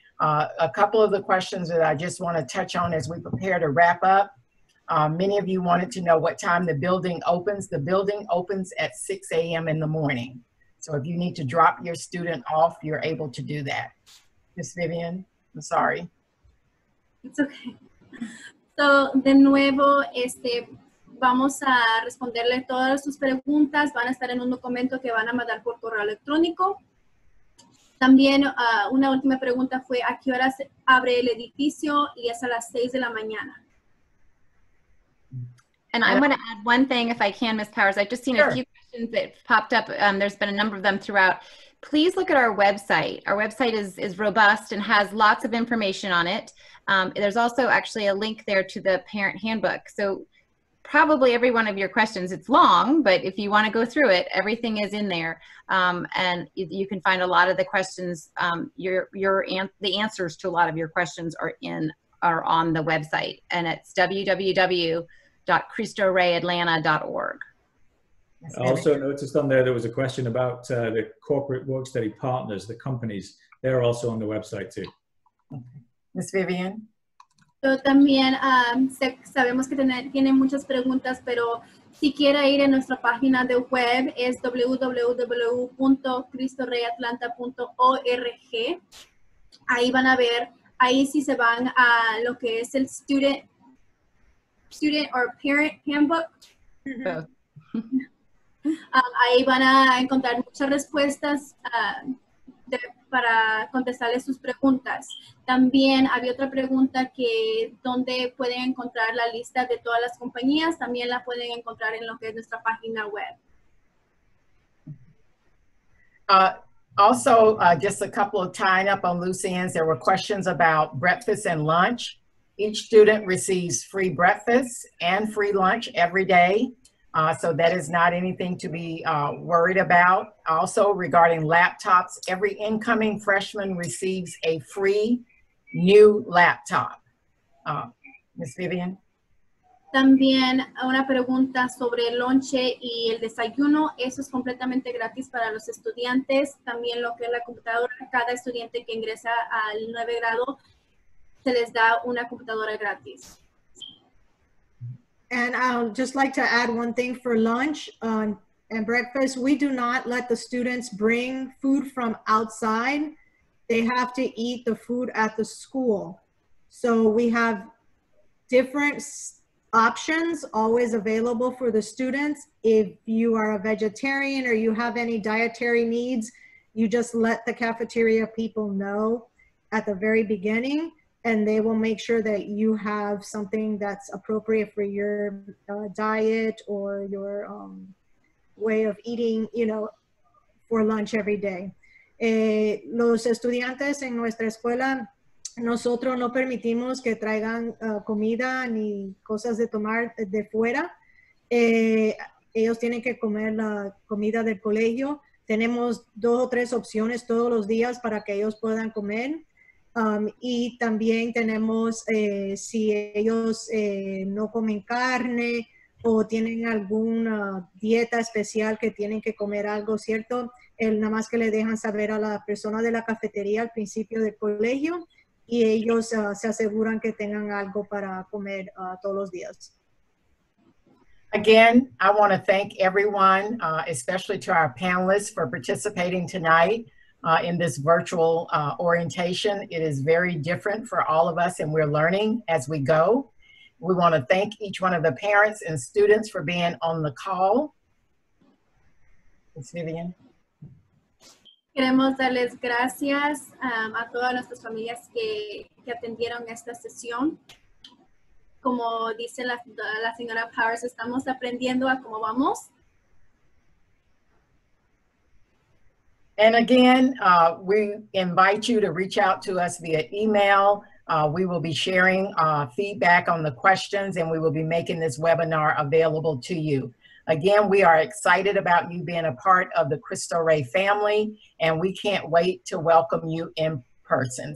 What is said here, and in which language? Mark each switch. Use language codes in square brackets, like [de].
[en] A couple of the questions that I just want to touch on as we prepare to wrap up. Many of you wanted to know what time the building opens. The building opens at 6 a.m. in the morning. So if you need to drop your student off, you're able to do that. Ms. Vivian, I'm sorry. It's okay. [es] So, de nuevo, vamos a responderle todas sus preguntas. Van a estar en un documento que van a mandar por correo electrónico. También, una última pregunta fue, ¿a qué hora se abre el edificio? Y es a las 6 de la mañana. [en] And I want to add one thing, if I can, Ms. Powers. I've just seen a few questions that popped up. There's been a number of them throughout. Please look at our website. Our website is robust and has lots of information on it. There's also actually a link there to the parent handbook. So probably every one of your questions, it's long, but if you want to go through it, everything is in there. And you can find a lot of the questions, the answers to a lot of your questions are on the website. And it's www.cristoreyatlanta.org. I also noticed on there was a question about the corporate work study partners, the companies. They're also on the website too. Ms. Vivian. [es] Yo también sabemos que tienen muchas preguntas, pero si quiere ir a nuestra página de web es www.cristoreyatlanta.org. Ahí van a ver, ahí sí se van a lo que es el [en] student or parent handbook. [es] ahí van a encontrar muchas respuestas para contestarles sus preguntas. También había otra pregunta que dónde pueden encontrar la lista de todas las compañías. También la pueden encontrar en lo que es nuestra página web. [en] Also, just a couple of tying up on loose ends, there were questions about breakfast and lunch. Each student receives free breakfast and free lunch every day. So that is not anything to be worried about. Also, regarding laptops, every incoming freshman receives a free new laptop. Ms. Vivian? [es] También una pregunta sobre el lunch y el desayuno. Eso es completamente gratis para los estudiantes. También lo que es la computadora. Cada estudiante que ingresa al 9 grado se les da una computadora gratis. [en] And I'll just like to add one thing for lunch and breakfast. We do not let the students bring food from outside. They have to eat the food at the school. So we have different options always available for the students. If you are a vegetarian or you have any dietary needs, you just let the cafeteria people know at the very beginning. And they will make sure that you have something that's appropriate for your diet or your way of eating, you know, for lunch every day. [es] Los estudiantes en nuestra escuela, nosotros no permitimos que traigan comida ni cosas de tomar de fuera. Ellos tienen que comer la comida del colegio. Tenemos dos o tres opciones todos los días para que ellos puedan comer. Y también tenemos, si ellos no comen carne o tienen alguna dieta especial que tienen que comer algo, ¿cierto? Nada más que le dejan saber a la persona de la cafetería al principio del colegio y ellos se aseguran que tengan algo para comer todos los días. [en] Again, I want to thank everyone, especially to our panelists for participating tonight. In this virtual orientation. It is very different for all of us and we're learning as we go. We want to thank each one of the parents and students for being on the call. Ms. Vivian. [es] Queremos darles gracias a todas nuestras familias que atendieron esta sesión. como dice la señora Powers, estamos aprendiendo a cómo vamos. [en] And again, we invite you to reach out to us via email. We will be sharing feedback on the questions, and we will be making this webinar available to you. Again, we are excited about you being a part of the Cristo Rey family, and we can't wait to welcome you in person.